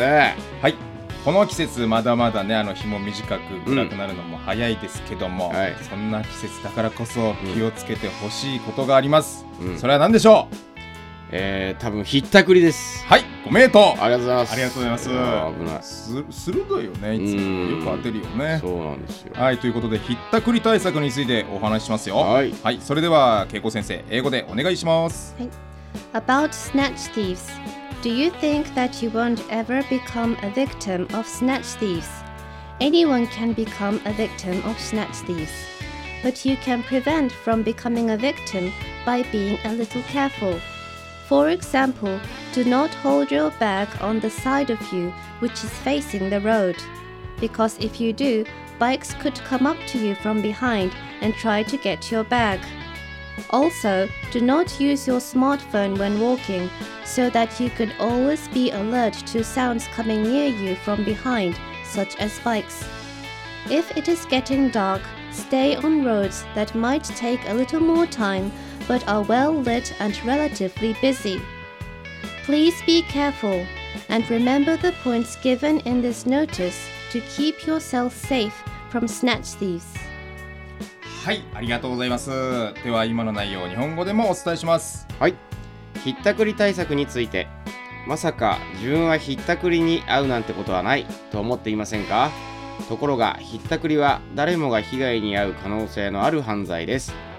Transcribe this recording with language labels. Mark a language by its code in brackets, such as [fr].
[ja] はい、この季節まだまだね、あの日も短く暗くなるのも早いですけども、うん、はい、そんな季節だからこそ気をつけてほしいことがあります、うん、それは何でしょう。多分ひったくりです。はい、ご名答。ありがとうございます。ありがとうございます。危ない。鋭いよね、いつもよく当てるよね。そうなんですよ。はい、ということでひったくり対策についてお話ししますよ。はい、はい、それでは恵子先生、英語でお願いします。はい、 [en] About snatch thievesDo you think that you won't ever become a victim of snatch thieves? Anyone can become a victim of snatch thieves. But you can prevent from becoming a victim by being a little careful. For example, do not hold your bag on the side of you which is facing the road. Because if you do, bikes could come up to you from behind and try to get your bag. Also, do not use your smartphone when walking, so that you could always be alert to sounds coming near you from behind, such as bikes. If it is getting dark, stay on roads that might take a little more time, but are well lit and relatively busy. Please be careful, and remember the points given in this notice to keep yourself safe from snatch thieves. [ja] はい、ありがとうございます。では今の内容を日本語でもお伝えします。はい、ひったくり対策について。まさか自分はひったくりに遭うなんてことはないと思っていませんか？ところがひったくりは誰もが被害に遭う可能性のある犯罪です。